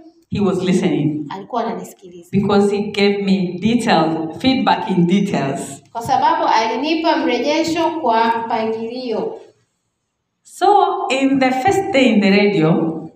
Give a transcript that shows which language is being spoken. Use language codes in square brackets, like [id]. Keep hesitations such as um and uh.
[en] He was listening because he gave me details, feedback in details [sw] kwa sababu alinipa mrejesho kwa mpangilio so [en] in the first day in the radio